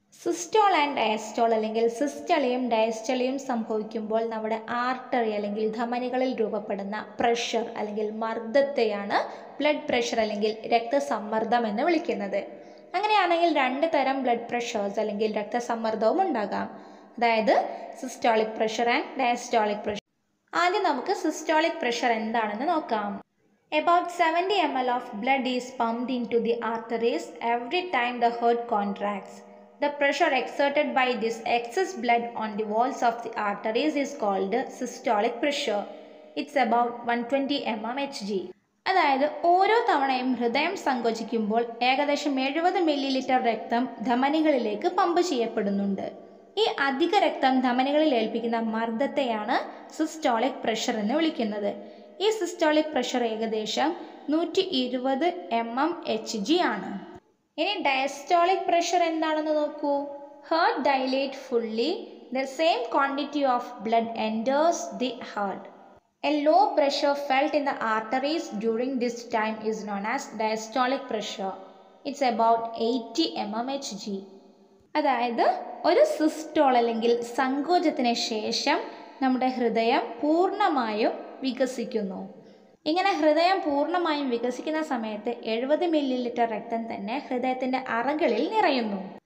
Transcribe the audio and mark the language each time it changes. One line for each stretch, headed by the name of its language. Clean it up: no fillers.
Malayalam: Systole and diastole അല്ലെങ്കിൽ സിസ്റ്റളിയും ഡയസ്റ്റളിയും സംഭവിക്കുമ്പോൾ നമ്മുടെ ആർട്ടറി അല്ലെങ്കിൽ ധമനികളിൽ രൂപപ്പെടുന്ന പ്രഷർ അല്ലെങ്കിൽ മർദ്ദത്തെയാണ് ബ്ലഡ് പ്രഷർ അല്ലെങ്കിൽ രക്തസമ്മർദ്ദം എന്ന് വിളിക്കുന്നത്. അങ്ങനെയാണെങ്കിൽ രണ്ട് തരം ബ്ലഡ് പ്രഷേഴ്സ് അല്ലെങ്കിൽ രക്തസമ്മർദ്ദവും ഉണ്ടാകാം. അതായത് systolic pressure and diastolic pressure. ആദ്യം നമുക്ക് സിസ്റ്റോളിക് പ്രഷർ എന്താണെന്ന് നോക്കാം.
English: About 70 ml of blood is pumped into the arteries every time the heart contracts. The pressure exerted by this excess blood on the walls of the arteries is called systolic pressure. It's about 120 mmHg.
Malayalam: അതായത് ഓരോ തവണയും ഹൃദയം സങ്കോചിക്കുമ്പോൾ ഏകദേശം 70 ml രക്തം ധമനികളിലേക്ക് pump ചെയ്യപ്പെടുന്നുണ്ട്. ഈ അധിക രക്തം ധമനികളിൽ ഏൽപ്പിക്കുന്ന മർദ്ദത്തെയാണ് സിസ്റ്റോളിക് പ്രഷർ എന്ന് വിളിക്കുന്നത്. ഈ സിസ്റ്റോളിക് പ്രഷർ ഏകദേശം 120 mmHg ആണ്. ഇനി ഡയസ്റ്റോളിക് പ്രഷർ എന്താണെന്ന് നോക്കൂ.
English: Heart dilate fully, the same quantity of blood enters the heart. A low pressure felt in the arteries during this time is known as diastolic pressure. It's about 80 mmHg.
Malayalam: അതായത് ഒരു systole അല്ലെങ്കിൽ സങ്കോചത്തിന് ശേഷം നമ്മുടെ ഹൃദയം പൂർണ്ണമായും വികസിക്കുന്നു. ഇങ്ങനെ ഹൃദയം പൂർണ്ണമായും വികസിക്കുന്ന സമയത്ത് 70 ml രക്തം തന്നെ ഹൃദയത്തിൻ്റെ അറകളിൽ നിറയുന്നു.